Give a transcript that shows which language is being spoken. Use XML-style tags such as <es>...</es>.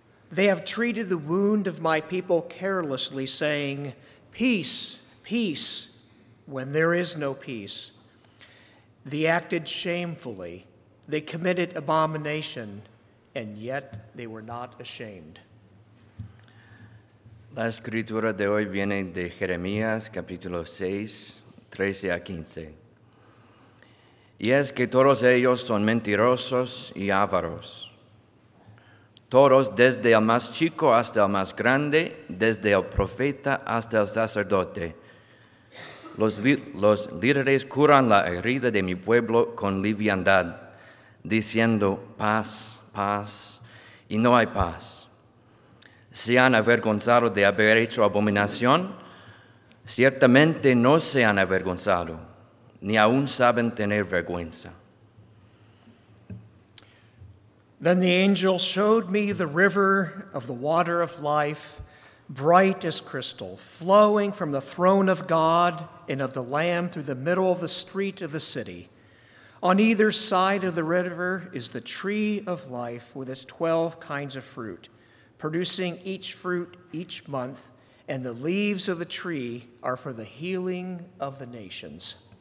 <en>They have treated the wound of my people carelessly, saying, peace, peace, when there is no peace. They acted shamefully. They committed abomination, and yet they were not ashamed.</en> <es>La escritura de hoy viene de Jeremías, capítulo 6, 13 a 15. Y es que todos ellos son mentirosos y avaros. Todos, desde el más chico hasta el más grande, desde el profeta hasta el sacerdote. Los líderes curan la herida de mi pueblo con liviandad, diciendo paz, paz, y no hay paz. Se han avergonzado de haber hecho abominación, ciertamente no se han avergonzado, ni aún saben tener vergüenza.</es> <en>Then the angel showed me the river of the water of life, bright as crystal, flowing from the throne of God and of the Lamb through the middle of the street of the city. On either side of the river is the tree of life with its 12 kinds of fruit, producing each fruit each month, and the leaves of the tree are for the healing of the nations.</en>